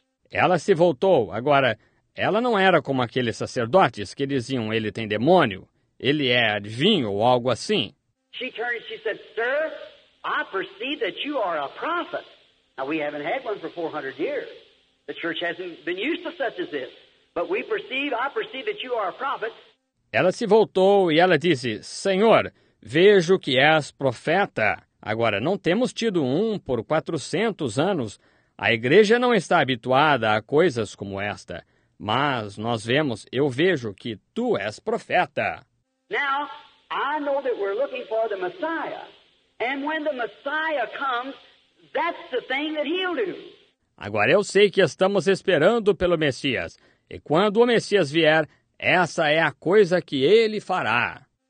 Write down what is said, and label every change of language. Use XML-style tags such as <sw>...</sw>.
<pt>Ela se voltou. Agora, ela não era como aqueles sacerdotes que diziam, ele tem demônio, ele é adivinho ou algo assim.</pt> <en>She turned, she said, sir, I perceive that you are a prophet. Now, we haven't had one for 400 years. The church hasn't been used to such as this. But I perceive that you are a prophet.</en> <pt>Ela se voltou e ela disse, Senhor, vejo que és profeta. Agora, não temos tido um por 400 anos. A igreja não está habituada a coisas como esta. Mas nós vemos, eu vejo que tu és profeta.</pt> <en>Now, I know that we're looking for the Messiah. And when the Messiah comes, that's the thing that he'll do.</en> <pt>Agora, eu sei que estamos esperando pelo Messias. E quando o Messias vier, essa é a coisa que ele fará.</pt>